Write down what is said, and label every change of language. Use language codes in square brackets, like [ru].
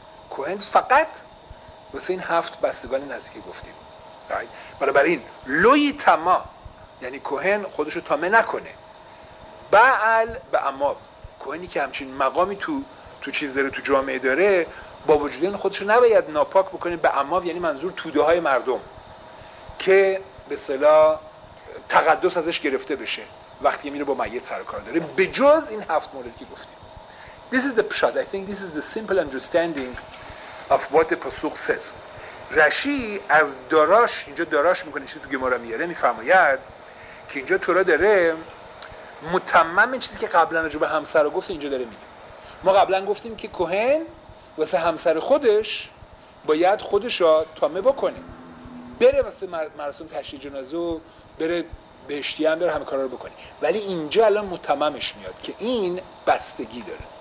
[fa] کوهن فقط واسه این هفت بستگان نزدیکی گفتیم، برای این لوی تمام یعنی کوهن خودش رو تامه نکنه بعل به اماو، کوهنی که همچین مقامی تو چیز داره، تو جامعه داره، با وجود این خودش رو نباید ناپاک بکنه به اماو، یعنی منظور توده های مردم که به اصطلاح تقدس ازش گرفته بشه وقتی میره با میت سر کار داره، به جز این هفت مورد که گفتیم. [en] This is the pshat. I think this is the simple understanding of what the pasuk says. [fa] رشی از داراش، اینجا داراش میکنه چیزی تو گمارا میاره، میفرماید که اینجا تورا داره متمم چیزی که قبلا رو به همسر گفت اینجا داره میگه. ما قبلا گفتیم که کوهن واسه همسر خودش باید خودش را تامه بکنه، بره واسه مراسم تشییع جنازه و بره بهشتی هم بره همه کارا رو بکنه، ولی اینجا الان متممش میاد که این بستگی داره.